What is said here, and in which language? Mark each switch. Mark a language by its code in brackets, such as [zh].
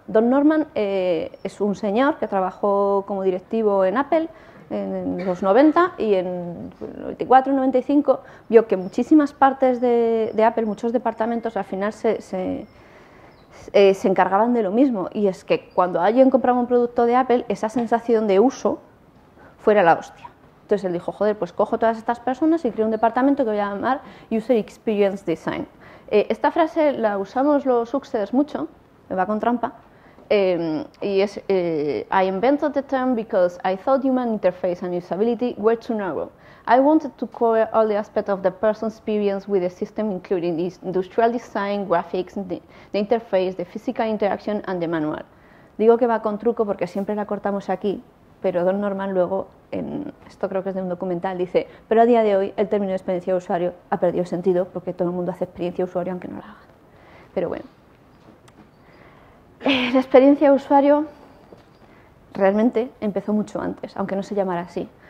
[es] Don Norman es un señor que trabajó como directivo en Apple en los 90 y en 94, 95 vio que muchísimas partes de Apple, muchos departamentos, al final se encargaban de lo mismo. Y es que cuando alguien compraba un producto de Apple, esa sensación de uso fuera la hostia. Entonces él dijo, joder, pues cojo todas estas personas y creo un departamento que voy a llamar User Experience Design. Esta frase la usamos los Uxeders mucho, me va con trampa, y es [en] I invented the term because I thought human interface and usability were too narrow. I wanted to cover all the aspects of the person's experience with the system, including the industrial design, graphics, the interface, the physical interaction and the manual. [es] Digo que va con truco porque siempre la cortamos aquí, pero Don Norman luego, esto creo que es de un documental, dice, pero a día de hoy el término de experiencia de usuario ha perdido sentido porque todo el mundo hace experiencia de usuario aunque no la haga. Pero bueno, la experiencia de usuario realmente empezó mucho antes, aunque no se llamara así.